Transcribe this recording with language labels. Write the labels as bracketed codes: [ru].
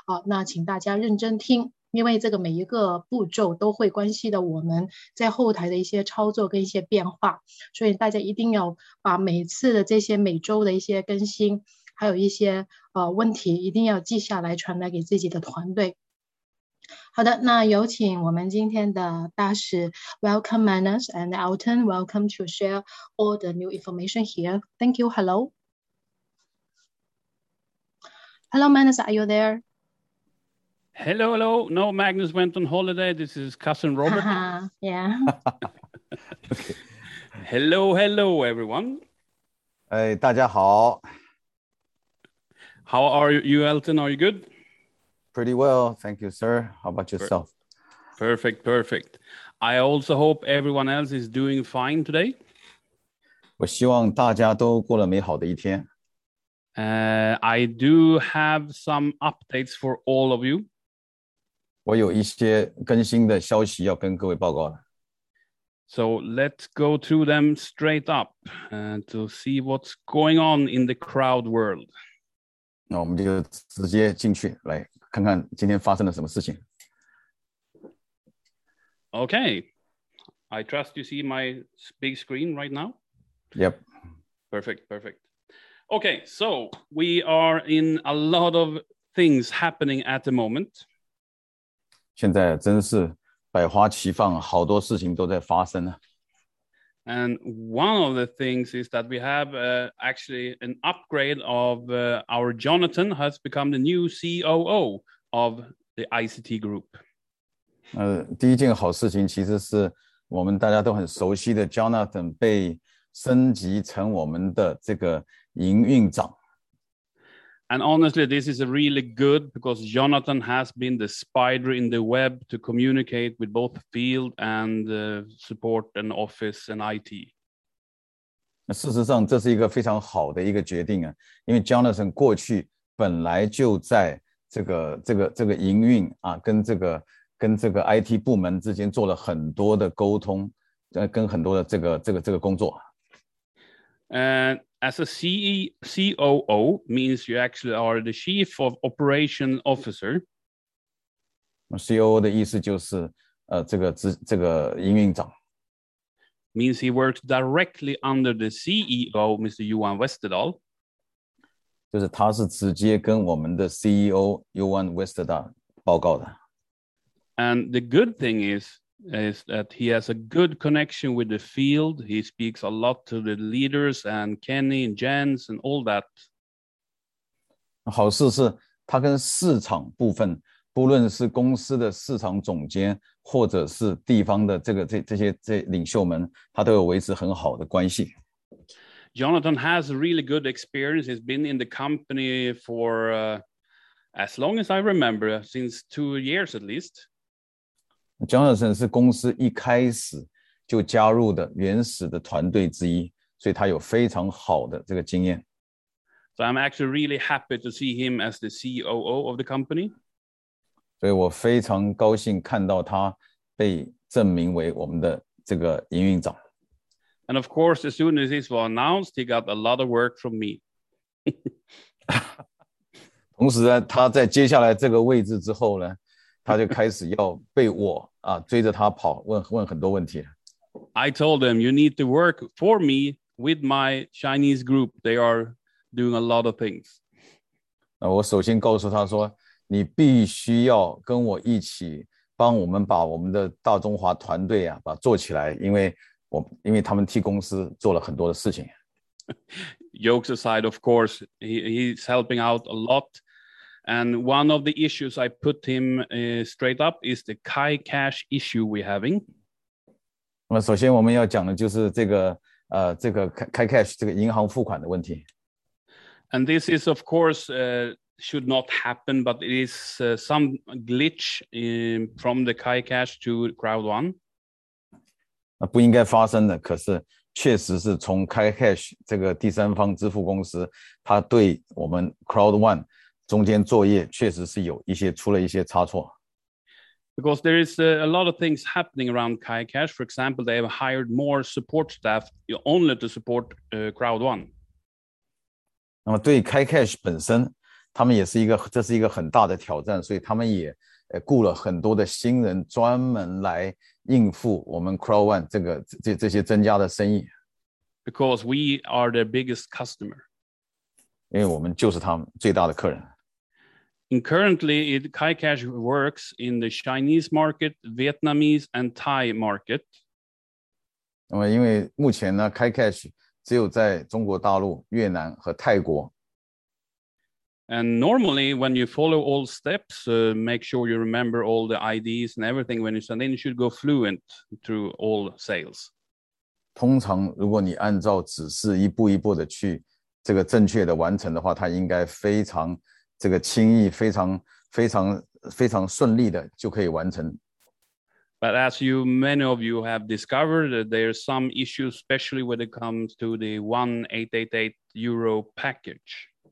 [zh] 那请大家认真听，因为这个每一个步骤都会关系到我们在后台的一些操作跟一些变化，所以大家一定要把每次的这些每周的一些更新，还有一些问题，一定要记下来，传来给自己的团队。好的，那有请我们今天的大使， [en] Welcome Manus and Alton. Welcome to share all the new information here. Thank you. Hello. Hello, Manus. Are you there? Hello, hello. No, Magnus went on holiday. This is cousin Robert. Haha, yeah. OK. Hello, hello, everyone. [zh] 哎，大家好。 [en] How are you, Elton? Are you good? Pretty well, thank you, sir. How about yourself? Perfect, perfect. I also hope everyone else is doing fine today. [zh] 我希望大家都过了美好的一天。 [en] I do have some updates for all of you. [zh] 我有一些更新的消息要跟各位报告了。 [en] So let's go through them straight up to see what's going on in the crowd world. [zh] 那我们就直接进去，来看看今天发生了什么事情。 [en] Okay, I trust you see my big screen right now. Yep. Perfect, perfect. Okay, so we are in a lot of things happening at the moment. [zh] 现在真是百花齐放，好多事情都在发生呢。 [en] And one of the things is that we have actually an upgrade of our Jonathan has become the new COO of the ICT group. [zh] 第一件好事情其实是我们大家都很熟悉的 Jonathan 被升级成我们的这个营运长。 [en] And honestly, this is really good because Jonathan has been the spider in the web to communicate with both field and support and office and IT. [zh] 事实上，这是一个非常好的一个决定啊，因为 Jonathan 过去本来就在这个营运啊，跟这个 IT 部门之间做了很多的沟通，跟很多的这个工作。 [en] As a COO means you actually are the chief of operation officer. [zh] COO 的意思就是，这个营运长。 [en] Means he works directly under the CEO, Mr. Johan Westerdahl. [zh] 就是他是直接跟我们的 CEO Johan Westerdahl 报告的。 [en] And the good thing is that he has a good connection with the field. He speaks a lot to the leaders and Kenny and Jens and all that. [zh] 好事是，他跟市场部分，不论是公司的市场总监，或者是地方的这些领袖们，他都有维持很好的关系。 [en] Jonathan has really good experience. He's been in the company for as long as I remember, since 2 years at least. [zh] Johnson 是公司一开始就加入的原始的团队之一，所以他有非常好的这个经验。 [en] So I'm actually really happy to see him as the COO of the company. [zh] 所以我非常高兴看到他被任命为我们的这个营运长。 [en] And of course, as soon as this was announced, he got a lot of work from me. [zh] 同时呢，他在接下来这个位置之后呢，他就开始要被我啊追着他跑，问很多问题。 [en] I told him, you need to work for me with my Chinese group. They are doing a lot of things. [zh] 我首先告诉他说，你必须要跟我一起帮我们把我们的大中华团队啊，把做起来，因为我因为他们替公司做了很多的事情。 [en] Jokes aside, of course, he's helping out a lot. And one of the issues I put him straight up is the Kai Cash issue we're having. [zh] 那首先我们要讲的就是这个这个Kai Cash这个银行付款的问题。 [en] And this is, of course, should not happen, but it is some glitch from the Kai Cash to Crowd1. [zh] 那不应该发生的，可是确实是从 Kai Cash 这个第三方支付公司，它对我们 Crowd1 中间作业确实是有一些出了一些差错。 [en] Because there is a lot of things happening around Kai Cash. For example, they have hired more support staff only to support Crowd1. [zh] 那么对 Kai Cash 本身，他们也是一个，这是一个很大的挑战，所以他们也雇了很多的新人专门来应付我们 Crowd1 这个这些增加的生意。 [en] Because we are their biggest customer. [zh] 因为我们就是他们最大的客人。 [en] And currently, Kai Cash works in the Chinese market, Vietnamese, and Thai market. [zh] 那么因为目前呢 ，Kai Cash 只有在中国大陆、越南和泰国。 [en] And normally, when you follow all steps, make sure you remember all the IDs and everything when you send in, you should go fluent through all sales. [zh] 通常，如果你按照指示一步一步的去这个正确的完成的话，它应该非常。这个轻易非常非常非常顺利的就可以完成。 [en] But as you many of you have discovered, there are some issues, especially when it comes to the 1888 euro package.